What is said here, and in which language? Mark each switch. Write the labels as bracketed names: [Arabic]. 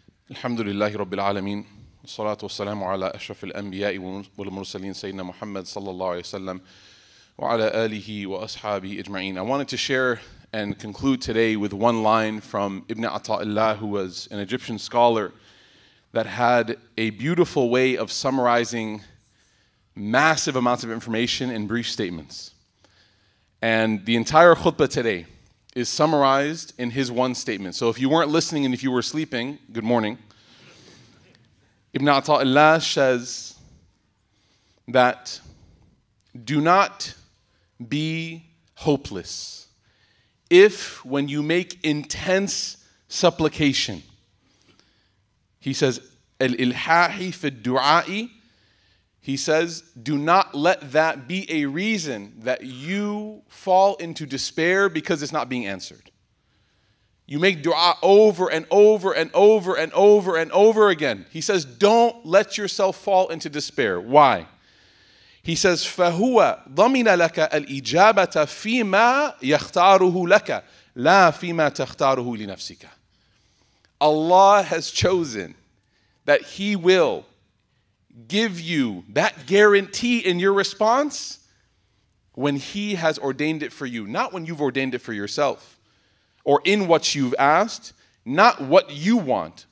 [Arabic] الحمد لله رب العالمين والصلاة والسلام على أشرف الأنبياء والمرسلين سيدنا محمد صلى الله عليه وسلم وعلى آله وأصحابه أجمعين. [English] I wanted to share and conclude today with one line from Ibn Ata'illah, who was an Egyptian scholar that had a beautiful way of summarizing massive amounts of information in brief statements. And the entire khutbah today is summarized in his one statement. So if you weren't listening and if you were sleeping, good morning. Ibn Ata'illah says that do not be hopeless if when you make intense supplication, he says, al-ilhahi fi du'a'i, he says, do not let that be a reason that you fall into despair because it's not being answered. You make dua over and over and over and over and over again. He says, don't let yourself fall into despair. Why? He says, [Arabic] فَهُوَ ضَمِنَ لَكَ الْإِجَابَةَ فِيمَا يَخْتَارُهُ لَكَ لَا فِيمَا تَخْتَارُهُ لِنَفْسِكَ. [English] Allah has chosen that He will give you that guarantee in your response when He has ordained it for you. Not when you've ordained it for yourself or in what you've asked, not what you want.